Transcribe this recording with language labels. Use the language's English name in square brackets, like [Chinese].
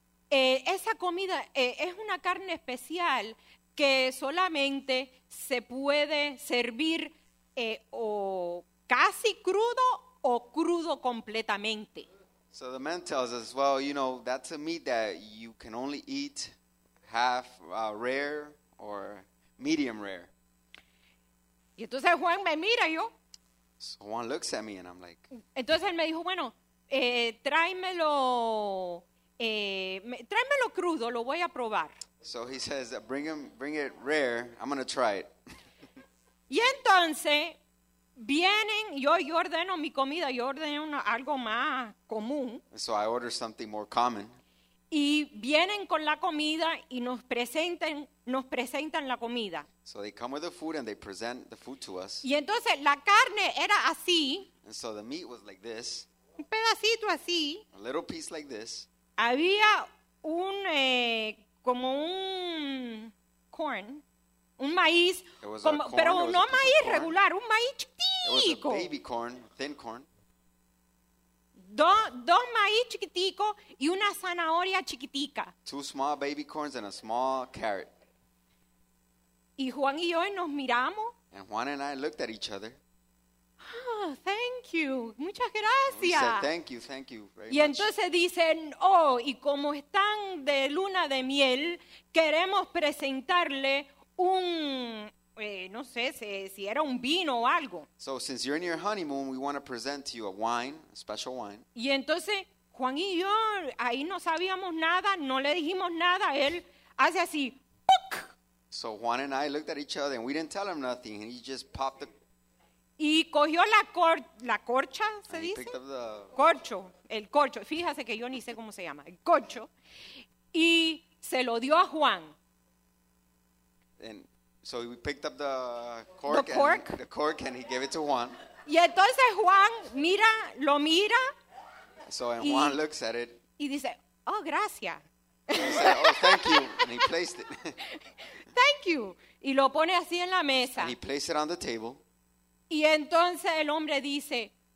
[Spanish] esa comida es una carne especial que solamente se puede servir o casi crudo o crudo completamente. [English] So the man tells us, well, you know, that's a meat that you can only eat half rare or medium rare. [Spanish] Y entonces Juan me mira yo. [English] So Juan looks at me and I'm like. [Spanish] Entonces él me dijo, bueno, tráemelo... tráemelo crudo, lo voy a probar. [English] So he says, bring it rare, I'm going to try it. [Spanish] Y entonces, vienen, yo ordeno mi comida, yo ordeno algo más común. [English] So I order something more common. [Spanish] Y vienen con la comida y nos presentan la comida. [English] So they come with the food and they present the food to us. [Spanish] Y entonces, la carne era así. [English] And so the meat was like this. [Spanish] Un pedacito así. [English] A little piece like this. [Spanish] Había un, como un corn, un maíz, como, [English] corn, [Spanish] pero no maíz regular, [English] corn. [Spanish] Un maíz chiquitico. [English] It was a baby corn, thin corn. [Spanish] Dos maíz chiquitico y una zanahoria chiquitica. [English] Two small baby corns and a small carrot. [Spanish] Y Juan y yo nos miramos. [English] And Juan and I looked at each other. Oh, thank you. [Spanish] Muchas gracias. [English] Said, thank you very [Spanish] y entonces [English] much. [Spanish] Dicen, oh, y como están de luna de miel, queremos presentarle un, no sé si era un vino o algo. [English] So since you're in your honeymoon, we want to present to you a wine, a special wine. [Spanish] Y entonces Juan y yo ahí no sabíamos nada, no le dijimos nada. Él hace así, ¡puc! [English] So Juan and I looked at each other and we didn't tell him nothing. And he just popped the... [Spanish] Y cogió la corcha, ¿se [English] and [Spanish] dice? [English] The... [Spanish] Corcho, el corcho. Fíjese que yo ni sé cómo se llama. El corcho. Y se lo dio a Juan. [English] And so we picked up the cork. The cork. And the cork and he gave it to Juan. [Spanish] Y entonces Juan mira, lo mira. [English] So and Juan looks at it. [Spanish] Y dice, oh, gracias. [English] And he said, oh, thank you. And he placed it. Thank you. [Spanish] Y lo pone así en la mesa. [English] And he placed it on the table. [Spanish] Y entonces el hombre dice,